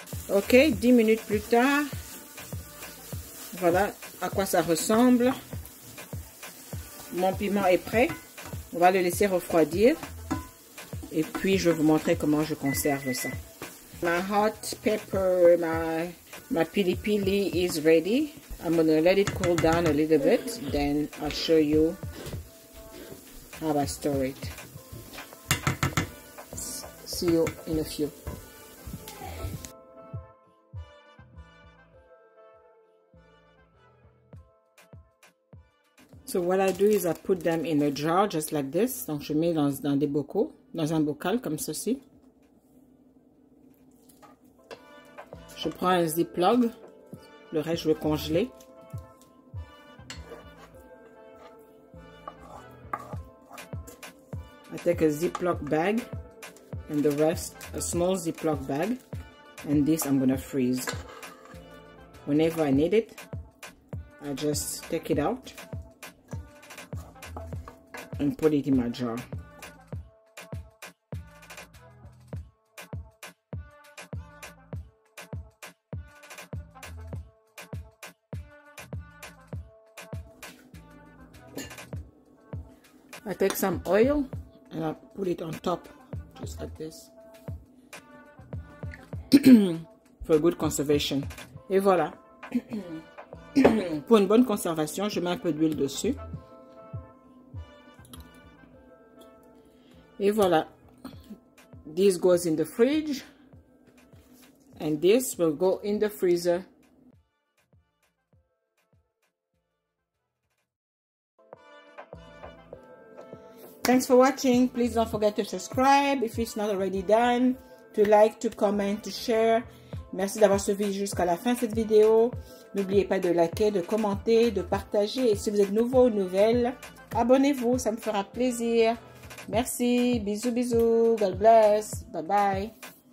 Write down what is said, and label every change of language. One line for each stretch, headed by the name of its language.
French: Ok, 10 minutes plus tard, voilà à quoi ça ressemble. Mon piment est prêt. On va le laisser refroidir. Et puis, je vais vous montrer comment je conserve ça.
English: My hot pepper, my pili pili is ready. I'm going to let it cool down a little bit. Then, I'll show you how I store it. See you in a few. So what I do is I put them in a jar just like this.
French: Donc je mets dans des bocaux, dans un bocal comme ceci. Je prends un Ziploc. Le reste je vais congeler.
English: I take a Ziploc bag and the rest a small Ziploc bag and this I'm gonna freeze. Whenever I need it, I just take it out. And put it in my jar. I take some oil and I put it on top, just like this, for good conservation.
French: Et voilà. Pour une bonne conservation, je mets un peu d'huile dessus. Et voilà,
English: this goes in the fridge, and this will go in the freezer. Thanks for watching. Please don't forget to subscribe if it's not already done, to like, to comment, to share.
French: Merci d'avoir suivi jusqu'à la fin de cette vidéo. N'oubliez pas de liker, de commenter, de partager. Et si vous êtes nouveau ou nouvelle, abonnez-vous, ça me fera plaisir. Merci, bisous,
English: God bless, bye bye.